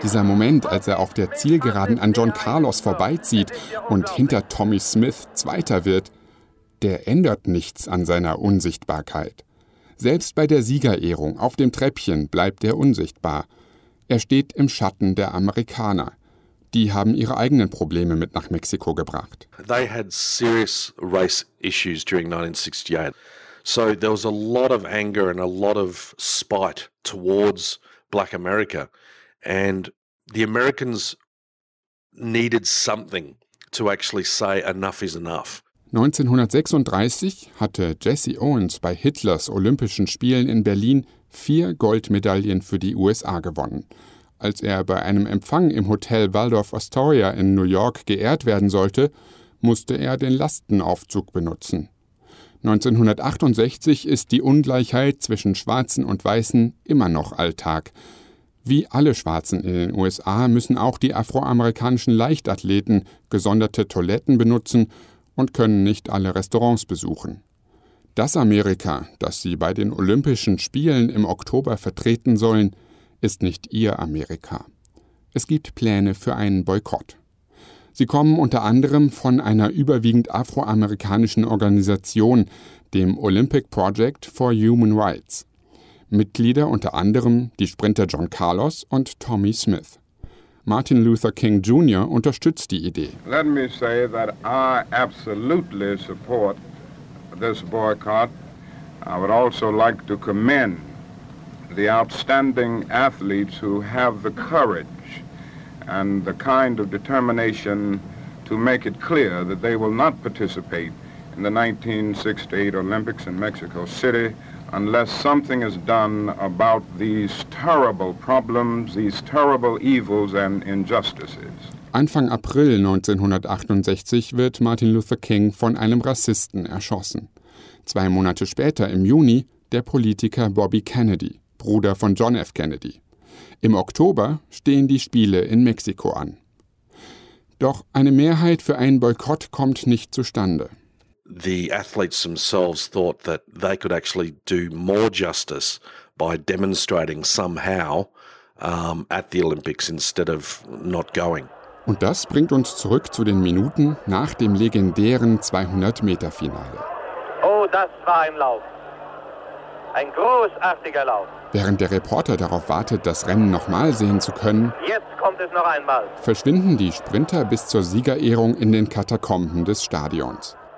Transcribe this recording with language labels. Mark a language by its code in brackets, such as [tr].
[de] Dieser Moment, als er auf der Zielgeraden an John Carlos vorbeizieht und hinter Tommy Smith Zweiter wird, der ändert nichts an seiner Unsichtbarkeit. Selbst bei der Siegerehrung auf dem Treppchen bleibt er unsichtbar. Er steht im Schatten der Amerikaner. die haben ihre eigenen Probleme mit nach Mexiko gebracht. [en] They had serious race issues during 1968. So there was a lot of anger and a lot of spite towards Black America, and the Americans needed something to actually say enough is enough. [de] 1936 hatte Jesse Owens bei Hitlers Olympischen Spielen in Berlin 4 Goldmedaillen für die USA gewonnen. Als er bei einem Empfang im Hotel Waldorf Astoria in New York geehrt werden sollte, musste er den Lastenaufzug benutzen. 1968 ist die Ungleichheit zwischen Schwarzen und Weißen immer noch Alltag. Wie alle Schwarzen in den USA müssen auch die afroamerikanischen Leichtathleten gesonderte Toiletten benutzen und können nicht alle Restaurants besuchen. Das Amerika, das sie bei den Olympischen Spielen im Oktober vertreten sollen, ist nicht ihr Amerika. Es gibt Pläne für einen Boykott. Sie kommen unter anderem von einer überwiegend afroamerikanischen Organisation, dem Olympic Project for Human Rights. Mitglieder unter anderem die Sprinter John Carlos und Tommy Smith. Martin Luther King Jr. unterstützt die Idee. [en] Let me say that I absolutely support this boycott. I would also like to commend the outstanding athletes who have the courage and the kind of determination to make it clear that they will not participate in the 1968 Olympics in Mexico City unless something is done about these terrible problems, these terrible evils and injustices. [de] Anfang April 1968 wird Martin Luther King von einem Rassisten erschossen. 2 Monate später, im Juni, der Politiker Bobby Kennedy, Bruder von John F. Kennedy. Im Oktober stehen die Spiele in Mexiko an. Doch eine Mehrheit für einen Boykott kommt nicht zustande. [en] The athletes themselves thought that they could actually do more justice by demonstrating somehow at the Olympics instead of not going. [de] Und das bringt uns zurück zu den Minuten nach dem legendären 200-Meter-Finale. Oh, das war ein Lauf. Ein großartiger Lauf. Während der Reporter darauf wartet, das Rennen nochmal sehen zu können, jetzt kommt es noch einmal, verschwinden die Sprinter bis zur Siegerehrung in den Katakomben des Stadions.